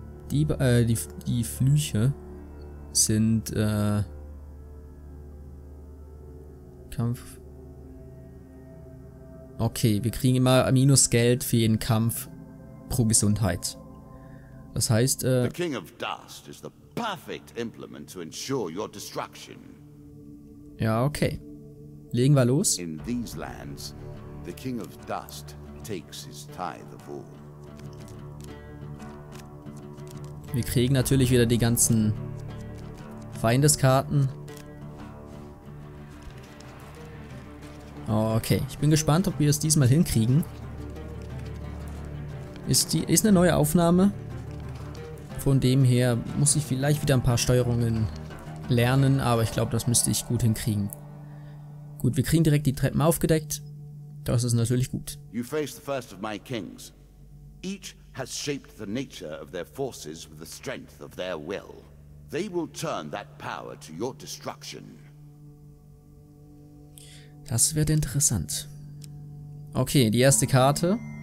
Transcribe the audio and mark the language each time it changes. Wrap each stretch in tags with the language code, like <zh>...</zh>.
<de>Die Flüche sind, Kampf. Okay, wir kriegen immer minus Geld für jeden Kampf pro Gesundheit. Das heißt,</de> <en>The King of Dust is the perfect implement to ensure your destruction.</en> <de>Ja, okay. Legen wir los.</de> <en>In these lands, the King of Dust takes his tithe of all.</en> <de>Wir kriegen natürlich wieder die ganzen Feindeskarten. Okay, ich bin gespannt, ob wir es diesmal hinkriegen. Ist eine neue Aufnahme. Von dem her muss ich vielleicht wieder ein paar Steuerungen lernen, aber ich glaube, das müsste ich gut hinkriegen. Gut, wir kriegen direkt die Treppen aufgedeckt. Das ist natürlich gut.</de> <en>You face the first of my kings. Each has shaped the nature of their forces with the strength of their will. They will turn that power to your destruction.</en> <de>Das wird interessant. Okay, die erste Karte.</de>